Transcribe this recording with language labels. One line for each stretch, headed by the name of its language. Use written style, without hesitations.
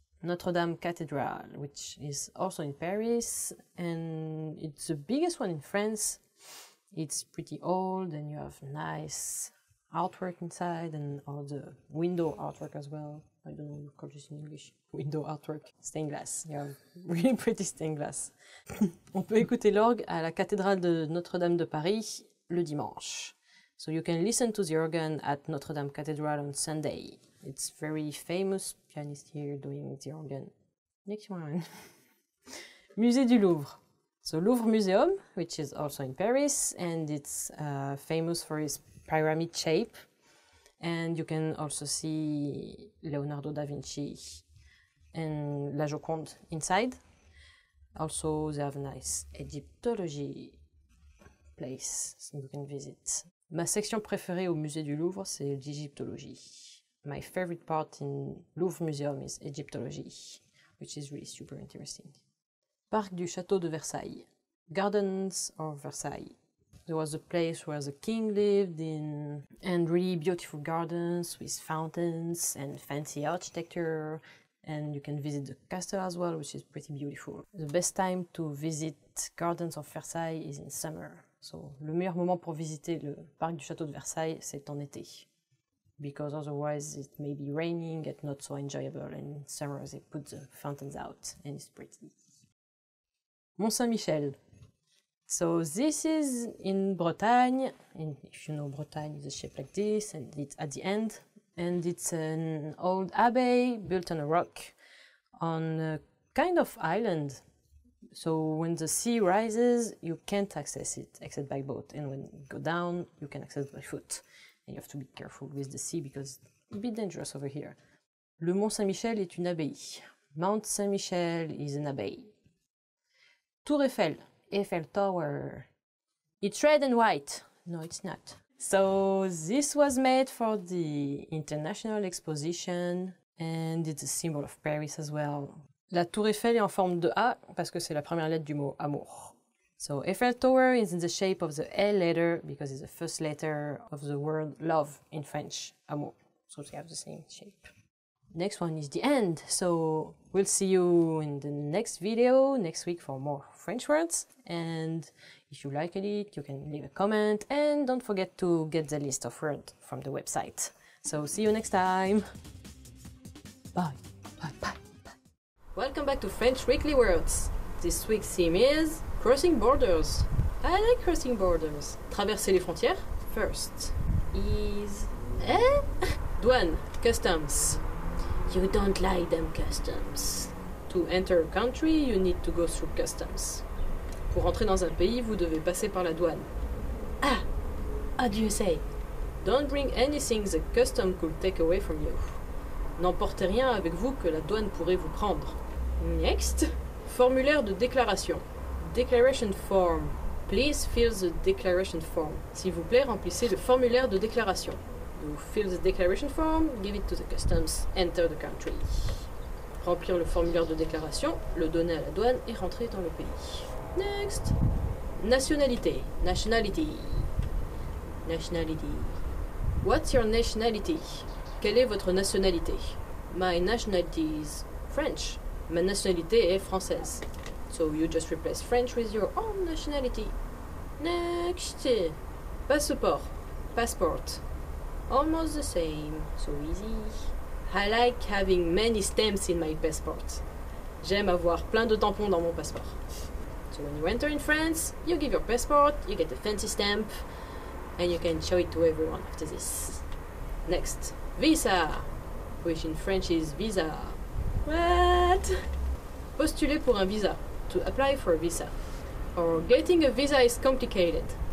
English: Notre-Dame Cathedral, which is also in Paris, and it's the biggest one in France. It's pretty old, and you have nice artwork inside, and all the window artwork as well. I don't know what you call this in English. Window artwork. Stained glass. You have really pretty stained glass.
French: On peut écouter l'orgue à la cathédrale de Notre-Dame de Paris le dimanche.
English: So you can listen to the organ at Notre-Dame Cathedral on Sunday. It's very famous pianist here doing the organ. Next one. Musée du Louvre. So Louvre Museum, which is also in Paris, and it's famous for its pyramid shape. And you can also see Leonardo da Vinci and La Joconde inside. Also, they have a nice Egyptology place you can visit.
French: Ma section préférée au Musée du Louvre, c'est l'égyptologie.
English: My favorite part in Louvre Museum is Egyptology, which is really super interesting. Parc du Château de Versailles. Gardens of Versailles. There was a place where the king lived in, and really beautiful gardens with fountains and fancy architecture. And you can visit the castle as well, which is pretty beautiful. The best time to visit Gardens of Versailles is in summer.
French: So, le meilleur moment pour visiter le parc du Château de Versailles, c'est en été.
English: Because otherwise it may be raining and not so enjoyable, and in summer they put the fountains out and it's pretty. Mont-Saint-Michel. So this is in Bretagne, and if you know Bretagne, it's shaped like this, and it's at the end. And it's an old abbey built on a rock on a kind of island. So when the sea rises, you can't access it except by boat. And when it goes down, you can access it by foot. And you have to be careful with the sea because it's a bit dangerous over here.
French: Le Mont Saint-Michel est une abbaye.
English: Mount Saint-Michel is an abbey.
French: Tour Eiffel.
English: Eiffel Tower. It's red and white. No, it's not. So this was made for the International Exposition and it's a symbol of Paris as well.
French: La Tour Eiffel est en forme de A parce que c'est la première lettre du mot amour.
English: So Eiffel Tower is in the shape of the L letter because it's the first letter of the word love in French, amour. So they have the same shape. Next one is the end. So we'll see you in the next video next week for more French words. And if you liked it, you can leave a comment and don't forget to get the list of words from the website. So see you next time. Bye. Bye. Bye. Welcome back to French Weekly Words. This week's theme is crossing borders. I like crossing borders.
French: Traverser les frontières.
English: First is douane, customs. You don't like them customs. To enter a country, you need to go through customs.
French: Pour entrer dans un pays, vous devez passer par la douane.
English: Ah, how do you say? Don't bring anything the custom could take away from you.
French: N'emportez rien avec vous que la douane pourrait vous prendre. Next, formulaire de déclaration.
English: Declaration form. Please fill the declaration form.
French: S'il vous plaît, remplissez le formulaire de déclaration.
English: You fill the declaration form, give it to the customs, enter the country.
French: Remplir le formulaire de déclaration, le donner à la douane et rentrer dans le pays.
English: Next. Nationalité. Nationality. Nationality. What's your nationality?
French: Quelle est votre nationalité?
English: My nationality is French.
French: Ma nationalité est française.
English: So you just replace French with your own nationality. Next. Passeport. Passport. Almost the same, so easy. I like having many stamps in my passport.
French: J'aime avoir plein de tampons dans mon passeport.
English: So when you enter in France, you give your passport, you get a fancy stamp, and you can show it to everyone after this. Next, visa, which in French is visa. What?
French: Postuler pour un visa,
English: to apply for a visa. Or getting a visa is complicated.